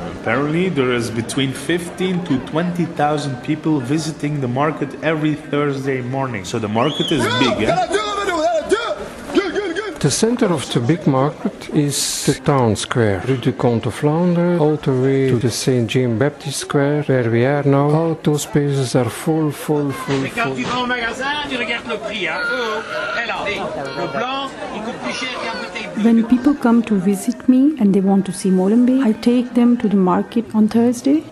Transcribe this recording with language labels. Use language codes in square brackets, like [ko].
[en] Apparently, there is between 15 to 20,000 people visiting the market every Thursday morning. So the market is big, eh? The center of the big market is the town square, Rue du Comte de Flandre, all the way to the Saint Jean Baptiste Square, where we are now. All those spaces are full, full, full, full. [fr] Mais quand tu vas au magasin, tu regardes le prix, hein? Alors, le blanc, il coûte plus cher qu'un bouteille bleue. [en] When people come to visit me and they want to see Molenbeek, I take them to the market on Thursday.